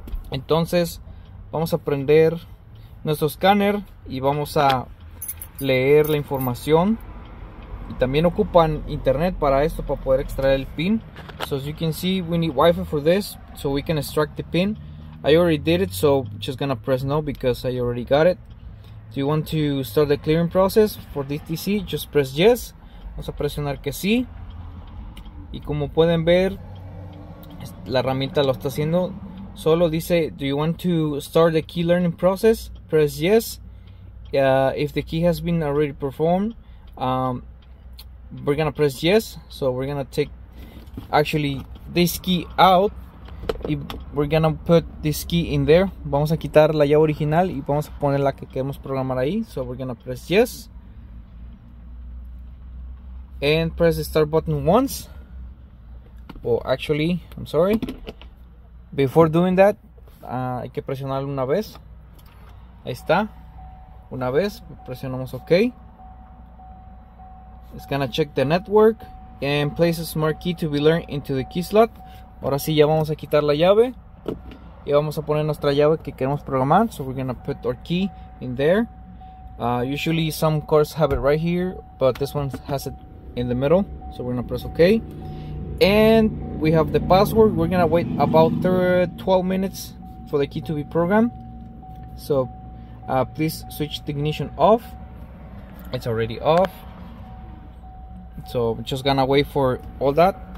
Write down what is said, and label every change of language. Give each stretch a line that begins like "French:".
Spanish: Entonces vamos a prender nuestro escáner y vamos a leer la información. Y también ocupan internet para esto, para poder extraer el pin.
English: So as you can see, we need Wi-Fi for this, so we can extract the pin. I already did it, so just gonna press no because I already got it. Do you want to start the clearing process for DTC? Just press yes.
Spanish: Vamos a presionar que sí. Y como pueden ver, la herramienta lo está haciendo solo. Dice,
English: do you want to start the key learning process? Press yes. If the key has been already performed, we're gonna press yes. So we're gonna take actually this key out, y we're gonna put this key in there.
Spanish: Vamos a quitar la llave original y vamos a poner la que queremos programar ahí.
English: So we're gonna press yes and press the start button once. Well, actually, I'm sorry, before doing that,
Spanish: hay que presionar una vez. Ahí está, una vez presionamos OK.
English: It's gonna check the network and place a smart key to be learned into the key slot.
Spanish: Ahora sí, ya vamos a quitar la llave y vamos a poner nuestra llave que queremos programar.
English: So we're gonna put our key in there. Usually some cars have it right here, but this one has it in the middle, so we're gonna press OK. And we have the password. We're gonna wait about 12 minutes for the key to be programmed. So please switch the ignition off. It's already off, so we're just gonna wait for all that.